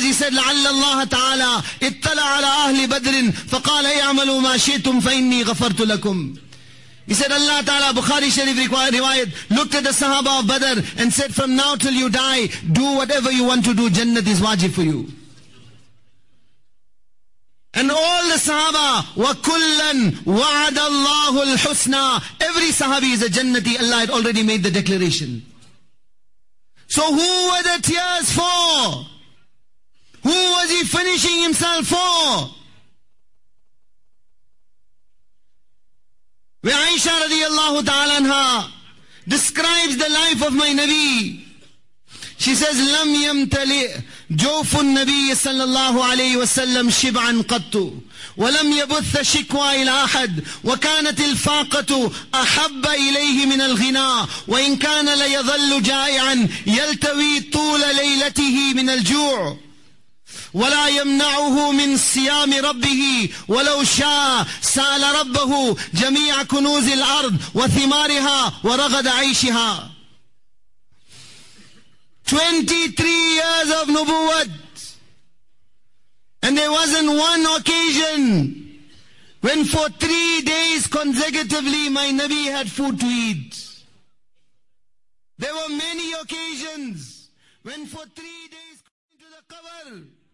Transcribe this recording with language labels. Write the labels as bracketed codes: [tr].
[en] He said, [ar] لَعَلَّ اللَّهَ تَعَالَى اِتَّلَى عَلَىٰ أَهْلِ بَدْرٍ فَقَالَ اَيْعَمَلُوا مَا شِئْتُمْ فَإِنِّي غَفَرْتُ لَكُمْ. [en] He said, Allah Ta'ala, Bukhari Sharif riwayat, looked at the sahaba of Badr and said, from now till you die, do whatever you want to do, Jannat is wajib for you. And all the sahaba, [ar] وَكُلًّا وَعَدَ اللَّهُ الْحُسْنَى. [en] Every sahabi is a Jannati. Allah had already made the declaration. So who were the tears for? Who was he finishing himself for? Where Aisha radiallahu ta'ala anha describes the life of my Nabi. She says, [ar] لَمْ يَمْتَلِئْ جوف النبي صلى الله عليه وسلم شبعا قط ولم يبث شكوى إلى أحد، وكانت الفاقة أحب إليه من الغناء، وإن كان ليظل جائعا يلتوي طول ليلته من الجوع، ولا يمنعه من صيام ربه ولو شاء. سأل ربه جميع كنوز الأرض وثمارها ورغد عيشها. [en] 23 years of nubuwwat, and there wasn't one occasion when for 3 days consecutively my Nabi had food to eat. There were many occasions when for 3 days going to the qabr.